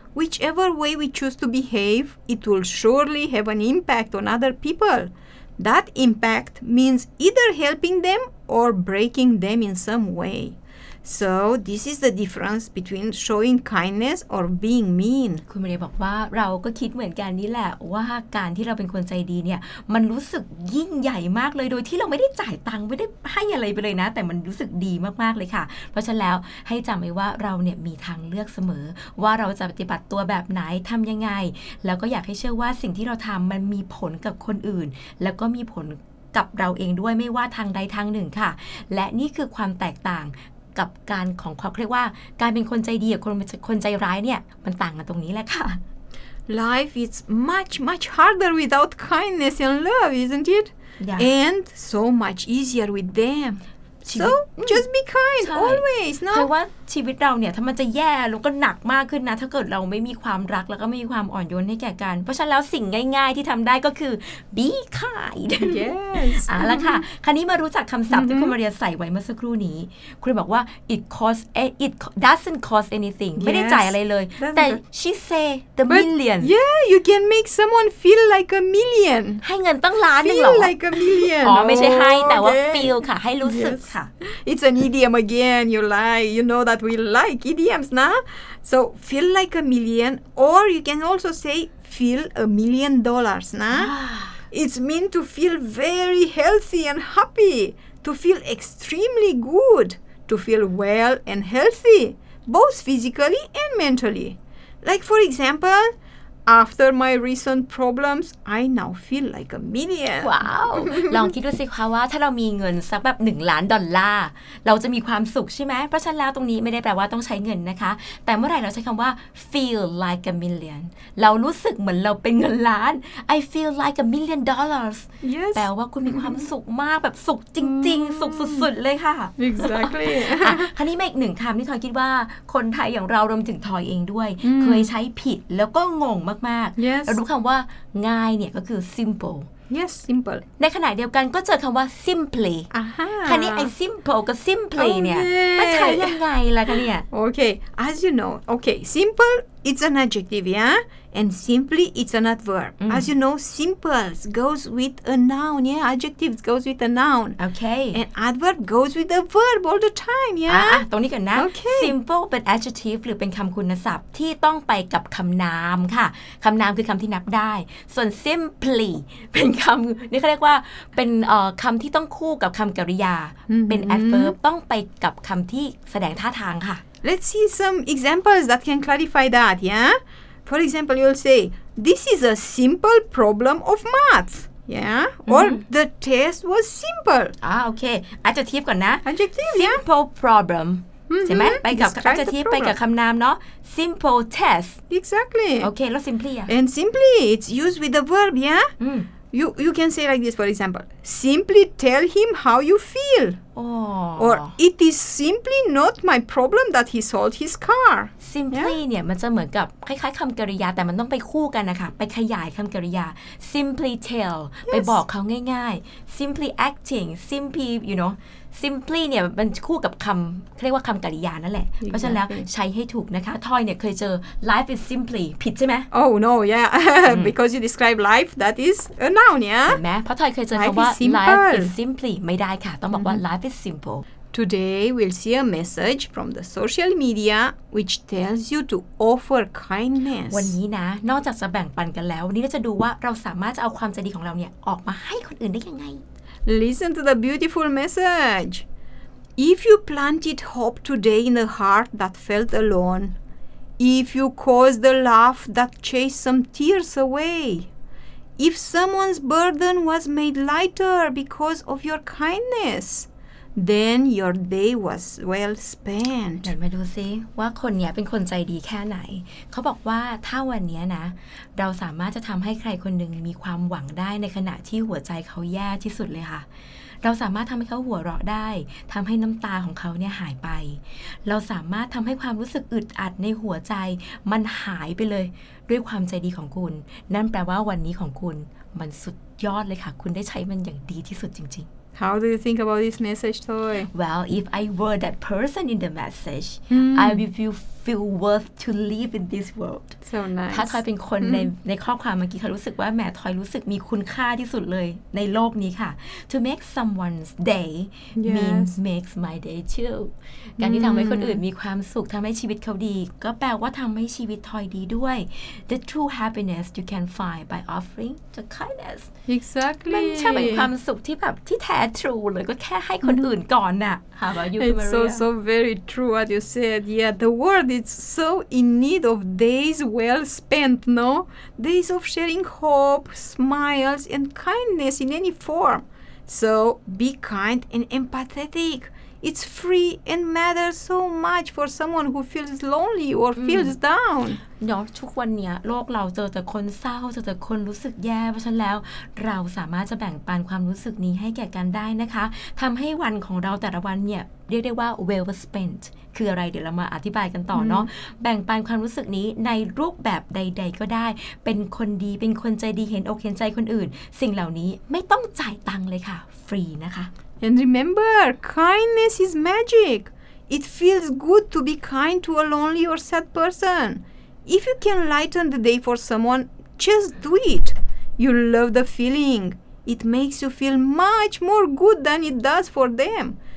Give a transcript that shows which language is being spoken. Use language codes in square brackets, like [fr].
[en] Whichever way we choose to behave, it will surely have an impact on other people. That impact means either helping them or breaking them in some way. So this is the difference between showing kindness or being mean. [th] คุณมารีบอกว่าเราก็คิดเหมือนกันนี่แหละว่าการที่เราเป็นคนใจดีเนี่ยมันรู้สึกยิ่งใหญ่มากเลยโดยที่เราไม่ได้จ่ายตังค์ไม่ได้ให้อะไรไปเลยนะแต่มันรู้สึกดีมากๆเลยค่ะเพราะฉะนั้นแล้วให้จำไว้ว่าเราเนี่ยมีทางเลือกเสมอว่าเราจะปฏิบัติตัวแบบไหนทำยังไง แล้วก็อยากให้เชื่อว่าสิ่งที่เราทำมันมีผลกับคนอื่นแล้วก็มีผลกับเราเองด้วยไม่ว่าทางใดทางหนึ่งค่ะและนี่คือความแตกต่างกับการของความเรียกว่าการเป็นคนใจดีกับคนใจร้ายเนี่ยมันต่างกันตรงนี้แหละค่ะ [en] Life is much much harder without kindness and love isn't it yeah. and so much easier with them so just be kind always no [th] เพราะว่าชีวิตเราเนี่ยถ้ามันจะแย่แล้วก็หนักมากขึ้นนะถ้าเกิดเราไม่มีความรักแล้วก็ไม่มีความอ่อนโยนให้แก่กันเพราะฉะนั้นแล้วสิ่งง่ายๆที่ทำได้ก็คือ [en] be kind yes [th] อ่ะแล้วค่ะคราวนี้มารู้จักคำศัพท์ที่คุณมาเรียใส่ไว้เมื่อสักครู่นี้คุณบอกว่า [en] it doesn't cost anything yes. [th] ไม่ได้จ่ายอะไรเลยแต่ [en] she say the million yeah you can make someone feel like a million [th] ให้เงินตั้งล้านนึงหรอ [en] feel like a million [th] อ๋อไม่ใช่ให้แต่ว่า feel ค่ะให้รู้สึกค่ะ [en] it's an idiom again you lie you knowThat we like idioms, nah? So feel like a million, or you can also say feel $1,000,000, nah? It's mean to feel very healthy and happy, to feel extremely good, to feel well and healthy, both physically and mentally. Like for example, after my recent problems, I now feel like a million. Wow! [th] ลองคิดดูสิคะว่าถ้าเรามีเงินสักแบบ$1,000,000เราจะมีความสุขใช่ไหมเพราะฉะนั้นแล้วตรงนี้ไม่ได้แปลว่าต้องใช้เงินนะคะแต่เมื่อไหร่เราใช้คำว่า [en] feel like a million [th] เรารู้สึกเหมือนเราเป็นเงินล้าน [en] I feel like a million dollars yes [th] แปลว่าคุณมีความสุขมากแบบสุขจริงๆสุขสุดๆเลยค่ะ [en] exactly [th] คราวนี้มาอีกหนึ่งคำที่ทอยคิดว่าคนไทยอย่างเรารวมถึงทอยเองด้วยเคยใช้ผิดแล้วก็งงมากๆ [en] yes. [th] แล้วรู้คำว่าง่ายเนี่ยก็คือ simple [en] yes simple [th] ในขณะเดียวกันก็เจอคำว่า simply คราวนี้ไอ้ simple กับ simply [en] okay. [th] เนี่ยมันใช้ยังไงล่ะคะเนี่ย [en] okay as you know okay simple it's an adjective yeah and simply it's an adverb as you know simple goes with a noun yeah adjective goes with a noun okay and adverb goes with a verb all the time yeah [th] ตรงนี้กันนะ [en] okay. [th] simple เป็น adjective หรือเป็นคำคุณศัพท์ที่ต้องไปกับคำนามค่ะคำนามคือคำที่นับได้ส่วน simply เป็นคำนี่เขาเรียกว่าเป็นคำที่ต้องคู่กับคำกริยา เป็น adverb ต้องไปกับคำที่แสดงท่าทางค่ะ [en] Let's see some examples that can clarify that, yeah? For example, you'll say, this is a simple problem of math, yeah? Mm-hmm. Or the test was simple. Ah, okay. Adjective [th] ก่อนนะ [en] Adjective, simple yeah? Simple problem. [th] ใช่ไหมไปกับอัจฉริยะไปกับคำนามเนาะ [en] simple test exactly okay [th] แล้ว [en] simply and simply it's used with the verb yeah you can say like this for example simply tell him how you feel or it is simply not my problem that he sold his car [th] simply เนี่ยมันจะเหมือนกับคล้ายๆคำกริยาแต่มันต้องไปคู่กันนะคะไปขยายคำกริยา [en] simply tell [th] ไปบอกเขาง่ายๆ [en] simply acting simply you know simply [th] เนี่ยมันคู่กับคำเรียกว่าคำกริยานั่นแหละเพราะฉะนั้นแล้วใช้ให้ถูกนะคะทอยเนี่ยเคยเจอ [en] life is simply [th] ผิดใช่ไหม [en] oh no yeah because you describe life that is a noun yeah [th] ใช่ไหมเพราะทอยเคยเจอคำว่า [en] life is simply [th] ไม่ได้ค่ะต้องบอกว่า [en] life is simple today we'll see a message from the social media which tells you to offer kindness [th] วันนี้นะนอกจากจะแบ่งปันกันแล้ววันนี้เราจะดูว่าเราสามารถจะเอาความใจดีของเราเนี่ยออกมาให้คนอื่นได้ยังไง [en] Listen to the beautiful message. If you planted hope today in a heart that felt alone, if you caused a laugh that chased some tears away, if someone's burden was made lighter because of your kindness, then your day was well spent. [th] มาดูซิว่าคนเนี้ยเป็นคนใจดีแค่ไหนเขาบอกว่าถ้าวันเนี้ยนะเราสามารถจะทำให้ใครคนหนึ่งมีความหวังได้ในขณะที่หัวใจเขาแย่ที่สุดเลยค่ะเราสามารถทำให้เขาหัวเราะได้ทำให้น้ำตาของเขาเนี่ยหายไปเราสามารถทำให้ความรู้สึกอึดอัดในหัวใจมันหายไปเลยด้วยความใจดีของคุณนั่นแปลว่าวันนี้ของคุณมันสุดยอดเลยค่ะคุณได้ใช้มันอย่างดีที่สุดจริงๆ [en] How do you think about this message, Toy? Well, if I were that person in the message, I would feel worth to live in this world. So nice. [th] ถ้าทอยเป็นคนในข้อความเมื่อกี้เขารู้สึกว่าแหมทอยรู้สึกมีคุณค่าที่สุดเลยในโลกนี้ค่ะ [en] To make someone's day means makes my day too. [th] การที่ทำให้คนอื่นมีความสุขทำให้ชีวิตเขาดีก็แปลว่าทำให้ชีวิตทอยดีด้วย [en] The true happiness you can find by offering the kindness. Exactly. [th] มันใช่เป็นความสุขที่แบบที่แท้True, เลยก็แค่ให้คนอื่นก่อนน่ะ [en] How about you, Maria? It's so very true what you said. Yeah, the world is so in need of days well spent, no? Days of sharing hope, smiles, and kindness in any form. So be kind and empathetic. It's free and matters so much for someone who feels lonely or feels down. [th] เนาะทุกวันเนี้ยโลกเราเจอแต่คนเศร้าเจอแต่คนรู้สึกแย่เพราะฉะนั้นแล้วเราสามารถจะแบ่งปันความรู้สึกนี้ให้แก่กันได้นะคะทำให้วันของเราแต่ละวันเนี่ยเรียกได้ว่า [en] well spent [th] คืออะไรเดี๋ยวเรามาอธิบายกันต่อเนาะแบ่งปันความรู้สึกนี้ในรูปแบบใดๆก็ได้เป็นคนดีเป็นคนใจดีเห็นอกเห็นใจคนอื่นสิ่งเหล่านี้ไม่ต้องจ่ายตังค์เลยค่ะฟรีนะคะ [en] and remember kindness is magic it feels good to be kind to a lonely or sad personIf you can lighten the day for someone, just do it. You love the feeling. It makes you feel much more good than it does for them.